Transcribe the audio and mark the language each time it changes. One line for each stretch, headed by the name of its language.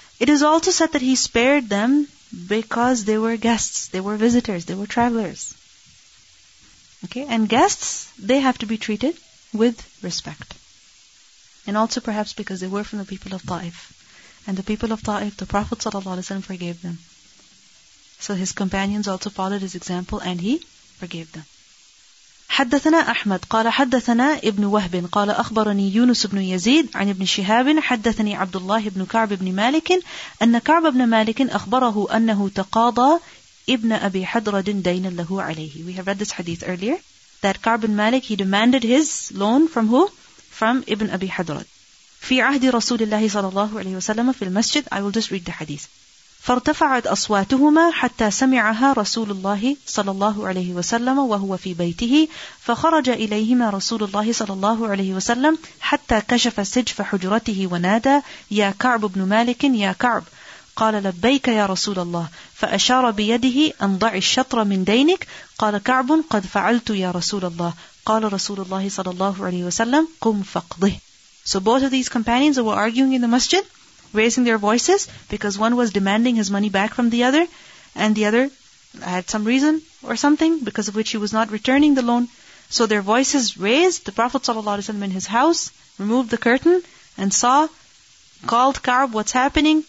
English: It is also said that he spared them because they were guests, they were visitors, they were travelers. Okay, and guests, they have to be treated with respect. And also perhaps because they were from the people of Taif. And the people of Taif, the Prophet ﷺ forgave them. So his companions also followed his example and he forgave them.
Arabic: حدثنا أحمد قال حدثنا ابن وهب قال أخبرني يونس بن يزيد عن ابن شهاب حدثني عبد الله بن كعب بن مالك أن كعب بن مالك أخبره أنه تقاضى ابن أبي حضرد دينا له عليه.
English: We have read this hadith earlier that كعب بن مالك, he demanded his loan from who? From ابن أبي حضرد.
Arabic: في عهد رسول الله صلى الله عليه وسلم في المسجد.
English: I will just read the hadith.
Arabic: فارتفعت أصواتهما حتى سمعها رسول الله صلى الله عليه وسلم وهو في بيته فخرج إليهما رسول الله صلى الله عليه وسلم حتى كشف سجف حجرته ونادى يا كعب بن مالك يا كعب قال لبيك يا رسول الله فأشار بيده أن ضع الشطر من دينك قال كعب قد فعلت يا رسول الله قال رسول الله صلى الله عليه وسلم قم فقضه.
English: So both of these companions were arguing in the masjid, raising their voices, because one was demanding his money back from the other, and the other had some reason or something because of which he was not returning the loan. So their voices raised, the Prophet ﷺ in his house removed the curtain and saw, called Ka'b, what's happening?